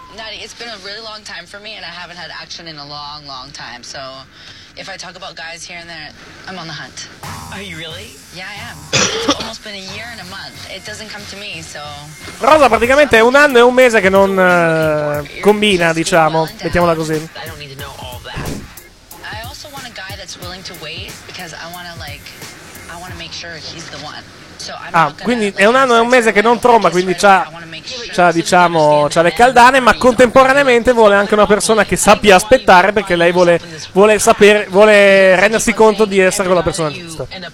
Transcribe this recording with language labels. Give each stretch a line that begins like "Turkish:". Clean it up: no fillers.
English: It's been a really long time for me and I haven't had action in a long, long time. So if I talk about guys here and there, I'm on the hunt. Are you really? Yeah, I am. It's almost been a year and a month. It doesn't come to me, so...
Italian: Rosa praticamente è un anno e un mese che non combina, diciamo. Mettiamola così.
English: I don't need to know all that. I also want a guy that's willing to wait because I want to, like, I want to make sure he's the one.
Italian: Ah, quindi è un anno e un mese che non tromba, quindi c'ha diciamo c'ha le caldane, ma contemporaneamente vuole anche una persona che sappia aspettare, perché lei vuole sapere, vuole rendersi conto di essere con la persona giusta.